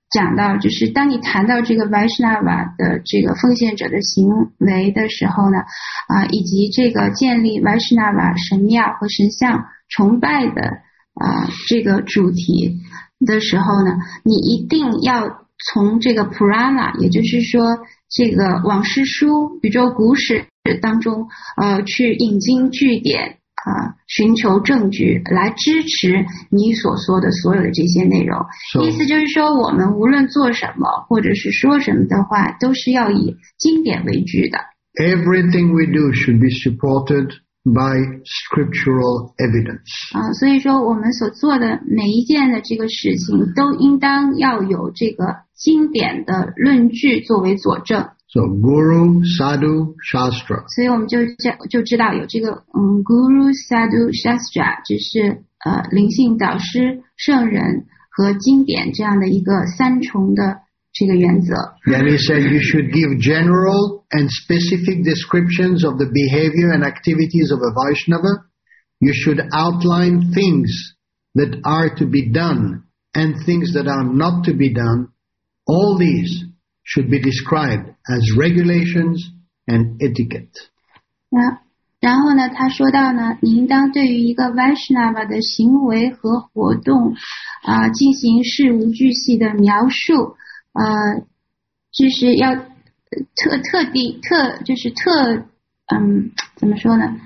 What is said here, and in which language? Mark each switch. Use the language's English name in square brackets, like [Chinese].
[Chinese] 讲到就是当你谈到这个 Vaishnava 的这个奉献者的行为的时候呢，以及这个建立 Vaishnava 神庙和神像崇拜的这个主题的时候呢，你一定要从这个 Purana， 也就是说这个往事书、宇宙古史当中去引经据典寻求证据来支持你所说的所有的这些内容。意思就是说，我们无论做什么或者是说什么的话，都是要以经典为据的。 [English] Everything we do should be supported by scriptural evidence. [Chinese] 所以说我们所做的每一件的这个事情都应当要有这个经典的论据作为佐证。 [English] So, Guru, Sadhu, Shastra. [Chinese] 所以我们就知道有这个Guru, Sadhu, Shastra， 这是灵性导师、圣人和经典这样的一个三重的这个原则。 [English] Then he said you should give general and specific descriptions of the behavior and activities of a Vaishnava. You should outline things that are to be done and things that are not to be done. All these should be described as regulations and etiquette. [Chinese] 然后呢，他说到呢，你应当对于一个 Vaishnava 的行为和活动，进行事无巨细的描述，就是要怎么说呢？